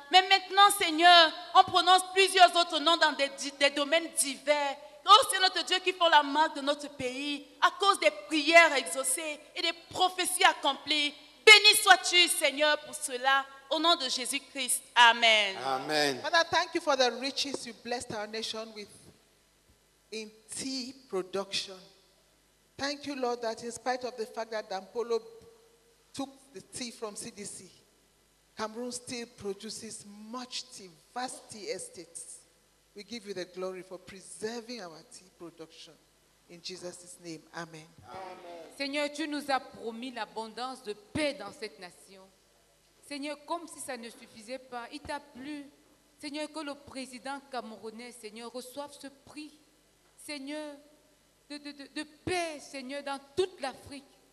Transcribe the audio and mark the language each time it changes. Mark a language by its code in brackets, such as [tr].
[fr] Mais maintenant, Seigneur, on prononce plusieurs autres noms dans des domaines divers. Oh, Seigneur notre Dieu, qui font la marque de notre pays à cause des prières exaucées et des prophéties accomplies. Béni sois-tu, Seigneur, pour cela, au nom de Jésus-Christ. Amen. Amen. [en] Father, thank you for the riches you blessed our nation with in tea production. Thank you, Lord, that in spite of the fact that Dampolo took the tea from CDC, Cameroon still produces much tea, vast tea estates. We give you the glory for preserving our tea production. In Jesus' name, amen. Amen. [fr] Seigneur, tu nous as promis l'abondance de paix dans cette nation. Seigneur, comme si ça ne suffisait pas, il t'a plu. Seigneur, que le président camerounais, Seigneur, reçoive ce prix, Seigneur, de paix, Seigneur, dans toute l'Afrique.